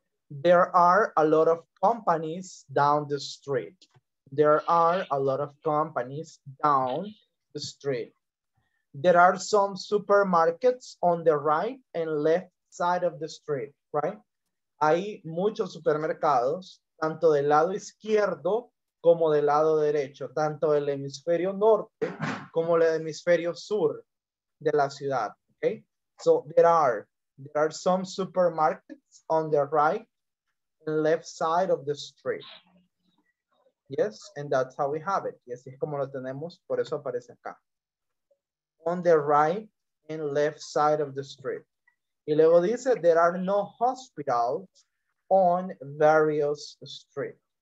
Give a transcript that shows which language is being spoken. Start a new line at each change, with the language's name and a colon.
English: There are a lot of companies down the street. There are a lot of companies down the street. There are some supermarkets on the right and left side of the street, right?
Spanish: Hay muchos supermercados, tanto del lado izquierdo como del lado derecho, tanto del hemisferio norte como el hemisferio sur de la ciudad, okay?
English: So there are some supermarkets on the right and left side of the street. Yes, and that's how we have it.
Spanish: Y así es como lo tenemos, por eso aparece acá.
English: On the right and left side of the street.
Spanish: Y luego dice,
English: there are no hospitals on various streets.